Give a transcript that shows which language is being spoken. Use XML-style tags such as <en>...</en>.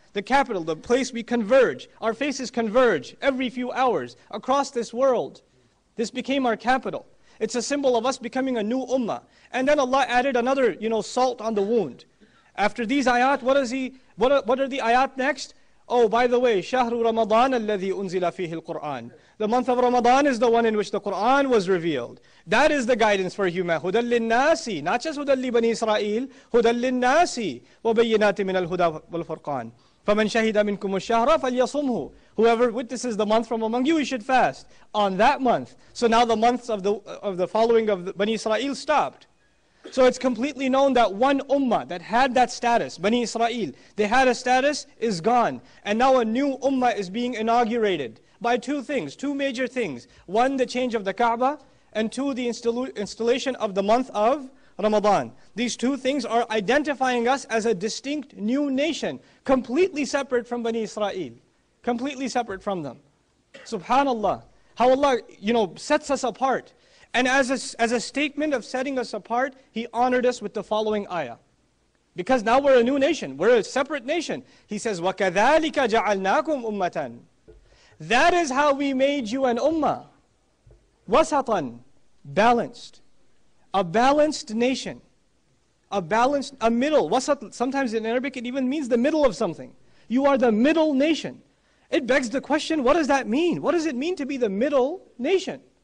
<en>The capital, the place we converge, our faces converge every few hours across this world. This became our capital. It's a symbol of us becoming a new ummah. And then Allah added another, you know, salt on the wound. After these ayat, what are the ayat next? Oh, by the way,</en> <ar>شهر رمضان الذي أنزل فيه القرآن.</ar> <en>The month of Ramadan is the one in which the Quran was revealed. That is the guidance for humanity.</en> <ar>هدى للناس,</ar> <en>not just</en> <ar>هدى لبني إسرائيل, هدى للناس وبينات من الهدى والفرقان. فَمَنْ شَهِدَ مِنْكُمُ الشَّهْرَ فَلْيَصُمْهُ.</ar> <en>Whoever witnesses the month from among you, he should fast on that month. So now the months of the following of Bani Israel stopped. So it's completely known that one ummah that had that status, Bani Israel, they had a status, is gone. And now a new ummah is being inaugurated by two things, two major things. One, the change of the Kaaba, and two, the installation of the month of Ramadan. These two things are identifying us as a distinct new nation, completely separate from Bani Israel, completely separate from them. Subhanallah, how Allah, you know, sets us apart. And as a statement of setting us apart, He honored us with the following ayah. Because now we're a new nation, we're a separate nation. He says,</en> <ar>وَكَذَلِكَ جَعَلْنَاكُمْ أُمَّةً.</ar> <en>That is how we made you an ummah.</en> <ar>وَسَطًا.</ar> <en>Balanced. A balanced nation. A middle. Wasat, sometimes in Arabic it even means the middle of something. You are the middle nation. It begs the question, what does that mean? What does it mean to be the middle nation?</en>